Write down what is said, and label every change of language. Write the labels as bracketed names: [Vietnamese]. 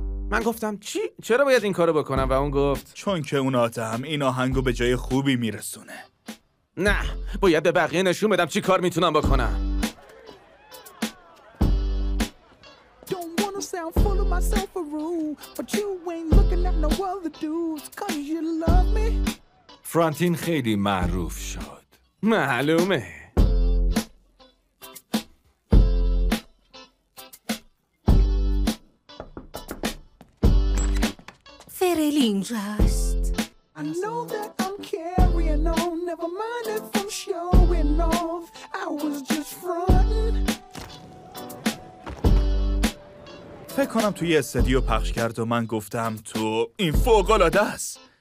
[Persian] من گفتم چی؟ چرا باید این کارو بکنم؟ و اون گفت چون که اون آدم این آهنگو به جای خوبی میرسونه. نه، باید به بقیه نشون بدم چی کار میتونم بکنم. [English] I'm full of myself a rule, but you ain't looking at no other dudes cuz you love me. [Persian] فرانتین خیلی معروف شد. معلومه. [English] Just. I know that I'm carrying on, never mind if I'm showing off, I was just frontin'. [Persian] فکر کنم توی استدیو پخش کرد و من گفتم تو این فوق‌العاده است.